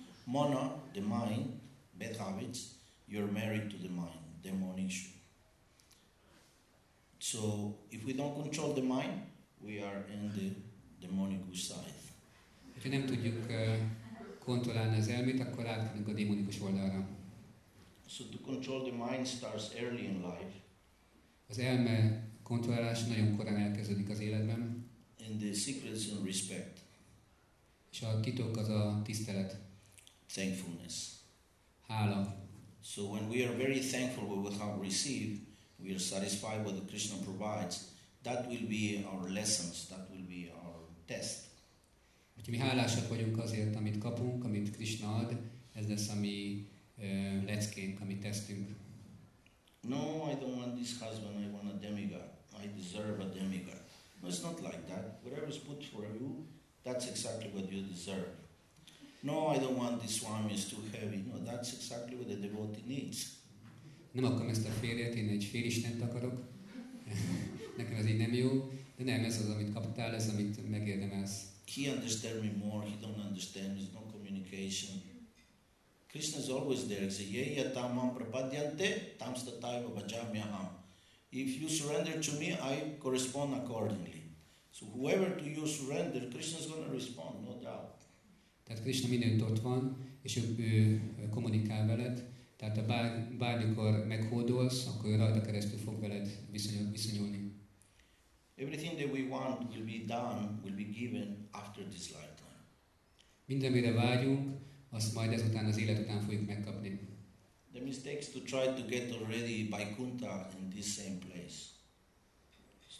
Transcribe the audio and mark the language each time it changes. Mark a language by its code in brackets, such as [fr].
[en] Mono, the mind, bad habits, you're married to the mind, demonicia. So, if we don't control the mind, we are in the demonicus side. If you don't [hu] kontrollálni az elmét, akkor átkerülünk a démonikus oldalra. [en] So to control the mind starts early in life. [hu] Az elme kontrollálása nagyon korán elkezdődik az életben. [en] And the secrets and respect. [hu] És a titok az a tisztelet. [en] Thankfulness. [hu] Hála. [en] So when we are very thankful with what we have received, we are satisfied with what Krishna provides, that will be our lessons, that will be our test. [hu] Hogyha mi hálásak vagyunk azért, amit kapunk, amit Krishna ad, ez lesz a mi leckénk, a mi tesztünk. [en] No, I don't want this husband, I want a demigod. I deserve a demigod. No, it's not like that. Whatever is put for you, that's exactly what you deserve. No, I don't want this swami, it's too heavy. No, that's exactly what the devotee needs. [hu] Nem akarom ezt a férjet, én egy félistent akarok. Nekem ez így nem jó. De nem, ez az, amit kaptál, ez amit megérdemelsz. [en] He understands me more, he don't understand, there's no communication. Krishna is always there. He says, yeah, [sa] tamam prapadyante, tamstataiva bhajamyaham. [en] If you surrender to me, I correspond accordingly. So whoever to you surrender, Krishna is going to respond, no doubt. [hu] Tehát Krishna mindent ott van, és ő kommunikál veled. Tehát ha bármikor meghódolsz, akkor ő rajta keresztül fog veled viszonyulni. [en] Everything that we want will be done, will be given after this lifetime. [hu] Minden, mire vágyunk, azt majd ezután, az élet után fogjuk megkapni. [en] The mistakes to try to get already Vaikuntha in this same place. So